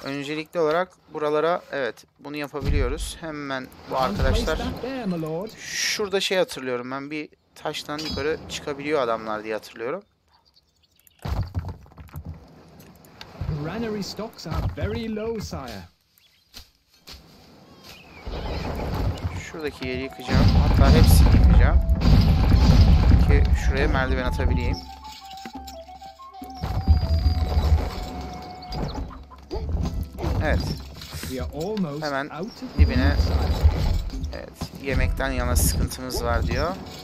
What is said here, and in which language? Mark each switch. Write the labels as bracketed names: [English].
[Turkish] Öncelikli olarak buralara, evet, bunu yapabiliyoruz. Hemen bu arkadaşlar, şurada hatırlıyorum ben, bir taştan yukarı çıkabiliyor adamlar diye hatırlıyorum. [English] Granary stocks are very low, sire. [Turkish] Şuradaki yeri yıkacağım. Hatta hepsini yıkacağım. Ki şuraya merdiven atabileyim. Evet. Hemen dibine. Evet. Yemekten yana sıkıntımız var diyor.